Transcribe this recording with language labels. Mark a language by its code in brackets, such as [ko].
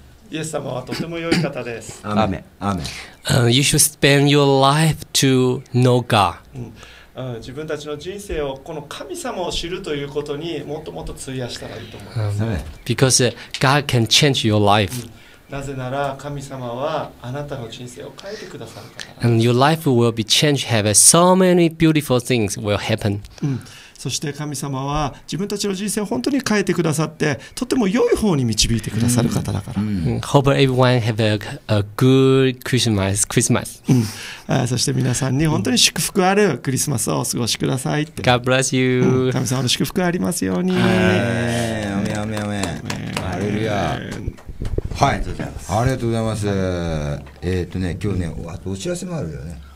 [ja] イエス様はとても良い方です。アーメン。アーメン。 [en] You should spend your life to know God. [ja] 自分たちの人生をこの神様を知るということにもっともっと費やしたらいいと思います。 [en] Because God can change your life. [ja] なぜなら神様はあなたの人生を変えてくださるから。 [en] And your life will be changed. Have so many beautiful things will happen. [ja] そして神様は自分たちの人生を本当に変えてくださって、とても良い方に導いてくださる方だから。 [en] Hope everyone have a good Christmas. [ja] そして皆さんに本当に祝福あるクリスマスをお過ごしくださいって。 [en] God bless you. [ja] 神様の祝福ありますように。アメンアメンアメン。ハレルヤ。はい。ありがとうございます。今日ね、あとお知らせもあるよね。